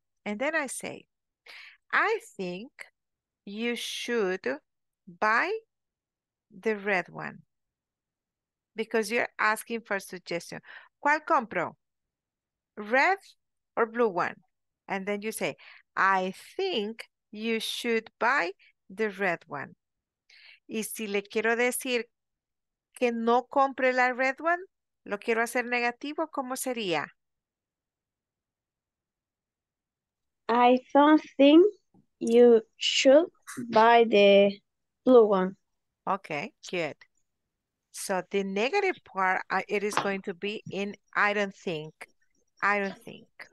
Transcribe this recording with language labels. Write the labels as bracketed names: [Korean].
[English] And then I say, I think you should buy the red one. Because you're asking for suggestion. [Spanish] ¿Cuál compro? [English] ¿Red or blue one? And then you say, I think you should buy the red one. [Spanish] Y si le quiero decir que no compre la [English] red one, [Spanish] ¿lo quiero hacer negativo? ¿Cómo sería? [English] I don't think you should buy the blue one. Okay, good. So the negative part, it is going to be in I don't think. I don't think.